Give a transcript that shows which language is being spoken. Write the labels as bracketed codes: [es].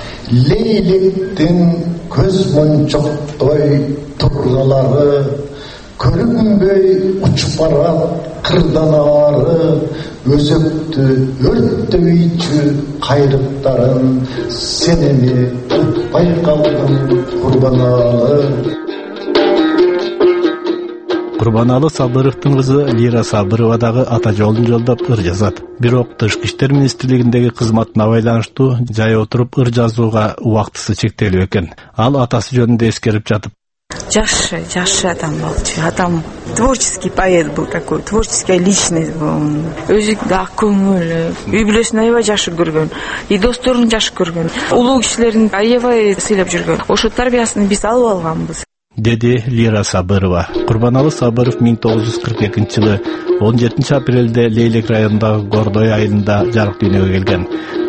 [ky] Лейлектин көз мончоктой турлалары көрүнбөй учуп барган кырданалары өзөктү өрттөйчү кайрыктарын сен эми утпай калдым Курбаналы. Курбаналы Сабыровдун кызы Лира Сабырова дагы ата жолун жолдоп ыр жазат. Бирок тышкы иштер министрлигиндеги кызматына байланыштуу жай отуруп ыр жазууга убактысы чектелүү экен. Ал атасы жөнүндө эскерип жатып: Жакшы адам болчу, [ru] адам творческий поэт был такой, творческая личность был. [ky] Өзү ак көңүл, үй бүлөсүн аябай жакшы көргөн и досторун жакшы көргөн, улуу кишилерин аябай сыйлап жүргөн. Ошол тарбиясын биз алып алганбыз, деди Лира Сабырова. Курбаналы Сабыров 1942 жылы 17 апрелде Лейлек районундагы Гордой айылында жарык дүйнөгө келген.